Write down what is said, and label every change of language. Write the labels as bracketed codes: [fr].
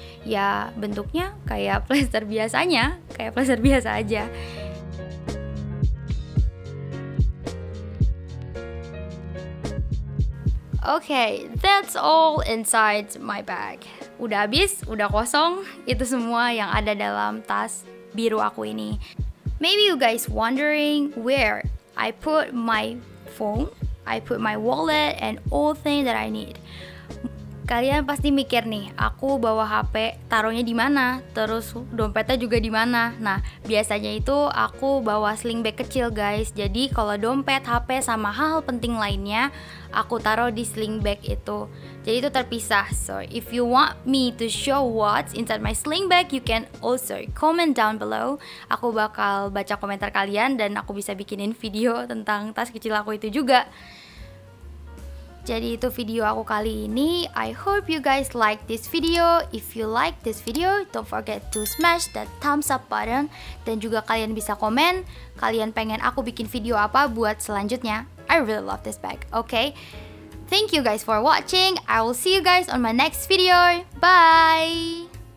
[id] Ya bentuknya kayak plaster biasanya, kayak plaster biasa aja. [en] Okay, that's all inside my bag. [id] Udah habis, udah kosong, itu semua yang ada dalam tas biru aku ini. [en] Maybe you guys wondering where I put my phone, I put my wallet, and all things that I need. [id] Kalian pasti mikir nih, aku bawa HP, taruhnya di mana? Terus dompetnya juga di mana? Nah, biasanya itu aku bawa sling bag kecil, guys. Jadi kalau dompet, HP, sama hal penting lainnya, aku taruh di sling bag itu. Jadi itu terpisah. [en] So, if you want me to show what's inside my sling bag, you can also comment down below. [id] Aku bakal baca komentar kalian dan aku bisa bikinin video tentang tas kecil aku itu juga. Jadi itu video aku kali ini. [en] I hope you guys like this video. If you like this video, don't forget to smash that thumbs up button. [id] Dan juga kalian bisa komen kalian pengen aku bikin video apa buat selanjutnya. [en] I really love this bag, okay? Thank you guys for watching. I will see you guys on my next video. Bye!